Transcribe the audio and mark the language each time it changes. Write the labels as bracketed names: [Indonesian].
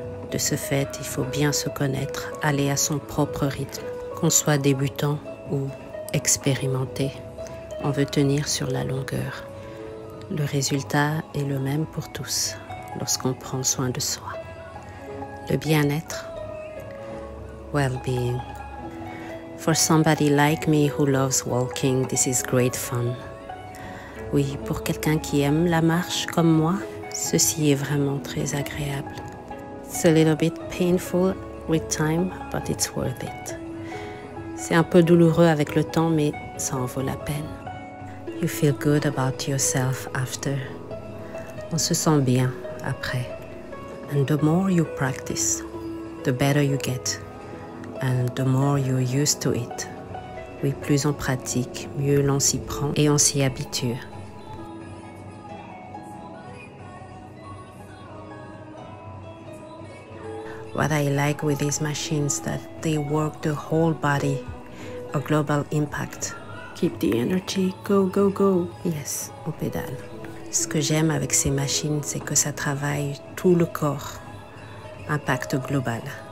[French] De ce fait, il faut bien se connaître, aller à son propre rythme, qu'on soit débutant ou expérimenté. On veut tenir sur la longueur. Le résultat est le même pour tous lorsqu'on prend soin de soi. Le bien-être, well-being. [English] For somebody like me who loves walking, this is great fun. [French] Oui, pour quelqu'un qui aime la marche comme moi, ceci est vraiment très agréable. [English] It's a little bit painful with time, but it's worth it. [French] C'est un peu douloureux avec le temps, mais ça en vaut la peine. [English] You feel good about yourself after. [French] On se sent bien après. [English] And the more you practice, the better you get. And the more you're used to it. [French] Oui, plus on pratique, mieux l'on s'y prend et on s'y habitue. [English] What I like with these machines is that they work the whole body, a global impact. Keep the energy, go, go, go. [French] Yes, on pédale. Ce que j'aime avec ces machines, c'est que ça travaille tout le corps, impact global.